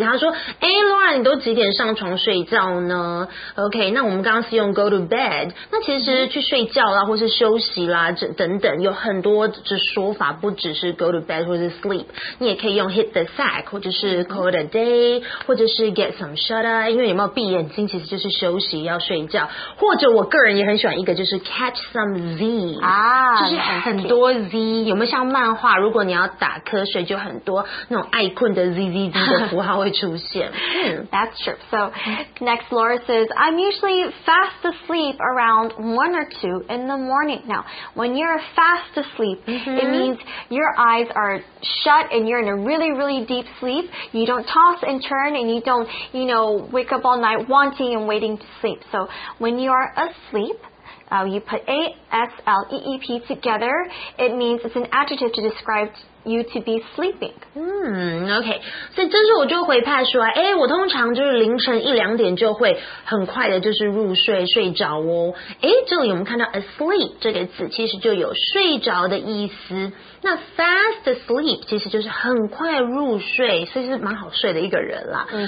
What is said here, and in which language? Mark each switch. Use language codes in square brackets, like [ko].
[zh] 他说：“哎 ，Laura， 你都几点上床睡觉？” 呢 ，OK， 那我们刚刚是用 [en] go to bed， [zh] 那其实去睡觉啦，或是休息啦，等等，有很多的说法，不只是 go to bed 或是 sleep， 你也可以用 [en] hit the sack， [zh] 或者是 [en] call it a day， [zh] 或者是 [en] get some shut eye， [zh] 因为有没有闭眼睛，其实就是休息要睡觉，或者我个人也很喜欢一个，就是 [en] catch some Z [zh] 啊，就是很多 Z， 有没有像漫画，如果你要打瞌睡，就很多那种爱困的 Z Z Z 的符号会出现。 [en] That's true. So next, Laura says, I'm usually fast asleep around 1 or 2 in the morning. Now, when you're fast asleep, it means your eyes are shut and you're in a really, really deep sleep. You don't toss and turn and you don't, you know, wake up all night wanting and waiting to sleep. So, when you are asleep, you put A-S-L-E-E-P together. It means it's an adjective to describe you to be sleeping. [zh] OK， 所以这时候我就回派说，哎，我通常就是凌晨一两点就会很快的就是入睡睡着哦。哎，这里我们看到 asleep 这个字其实就有睡着的意思，那 [en] fast asleep [zh] 其实就是很快入睡，所以是蛮好睡的一个人啦。